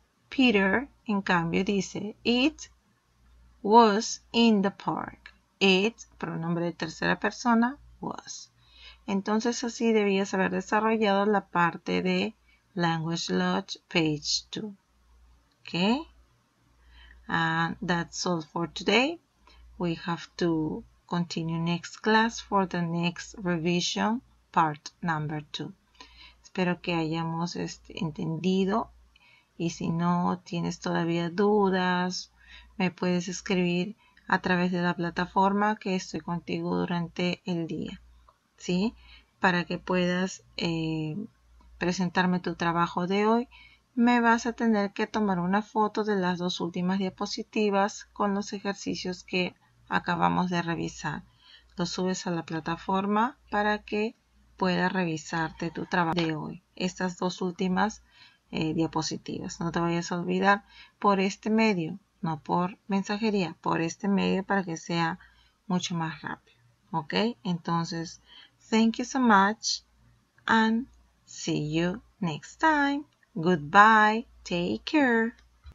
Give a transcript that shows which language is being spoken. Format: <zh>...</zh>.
<en>Peter,</en> <es>en cambio, dice,</es> <en>it was in the park.</en> <es>It, pronombre de tercera persona, was. Entonces, así debías haber desarrollado la parte de Language Lodge, page 2.</es> <en>Ok. And that's all for today. We have to continue next class for the next revision, part number 2.</en> <es>Espero que hayamos entendido. Y si no tienes todavía dudas, me puedes escribir a través de la plataforma que estoy contigo durante el día. ¿Sí? para que puedas presentarme tu trabajo de hoy, me vas a tener que tomar una foto de las dos últimas diapositivas con los ejercicios que acabamos de revisar. Lo subes a la plataforma para que pueda revisarte tu trabajo de hoy. Estas dos últimas diapositivas. No te vayas a olvidar, por este medio, no por mensajería, por este medio para que sea mucho más rápido. ¿Ok?</es> <en>Entonces, thank you so much and see you next time. Goodbye. Take care.</en>